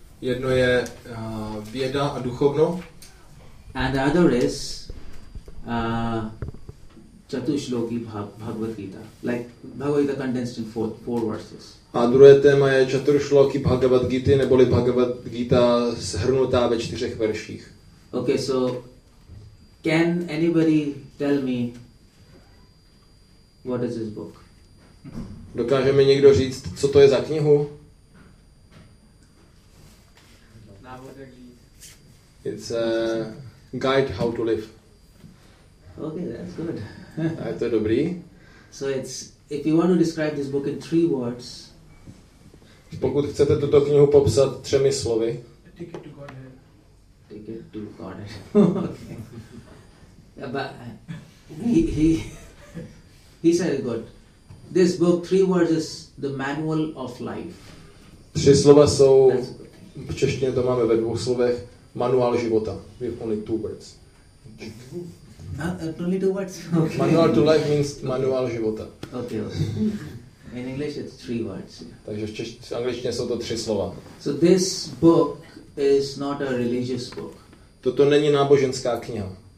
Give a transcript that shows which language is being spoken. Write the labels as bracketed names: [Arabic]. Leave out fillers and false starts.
[Czech] Jedno je věda a duchovno. [English] And the other is Chatushloki Bhagavad Gita. Like Bhagavad Gita condensed in four verses. [Czech] A druhé téma je Chatushloki Bhagavad Gita neboli Bhagavad Gita shrnutá ve čtyřech verších. [English] Okay, so can anybody tell me what is this book? [Czech] Dokáže mi někdo říct, co to je za knihu? [English] It's a guide how to live. Okay, that's good. [Czech] A to je dobrý. [English] So it's, if you want to describe this book in three words. [Czech] Pokud chcete tuto knihu popsat třemi slovy. [English] Ticket to Godhead. Ticket to Godhead. Okay. Yeah, but he said it good. This book, three words is the manual of life. [Czech] Tři slova jsou, v češtině to máme ve dvou slovech, manuál života. [English] We have only two words. Only two words? Okay. Manual to life means [Czech] manuál života. [English] Okay, okay. In English it's three words. [Czech] Takže v češtině, angličtině jsou to tři slova. [English] So this book is not a religious book. [Czech] Toto není náboženská kniha.